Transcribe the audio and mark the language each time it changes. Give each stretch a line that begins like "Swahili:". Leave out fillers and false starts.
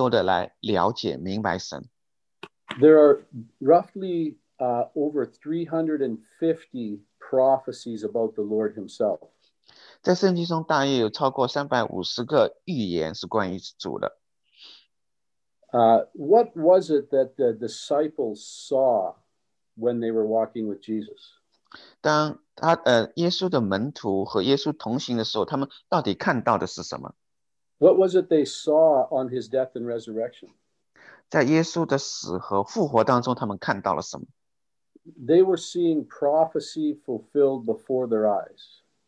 Chinese: 在话语中我们能够越来越多的来了解明白神。
English: There are roughly over 350 prophecies about the Lord himself.
Chinese: 在圣经中大约有超过350个预言是关于主的。
English: What was it that the disciples saw when they were walking with Jesus?
Chinese: 当耶稣的门徒和耶稣同行的时候，他们到底看到的是什么？
English: What was it they saw on his death and resurrection?
Chinese: 在耶稣的死和复活当中，他们看到了什么？
English: They were seeing prophecy fulfilled before their eyes.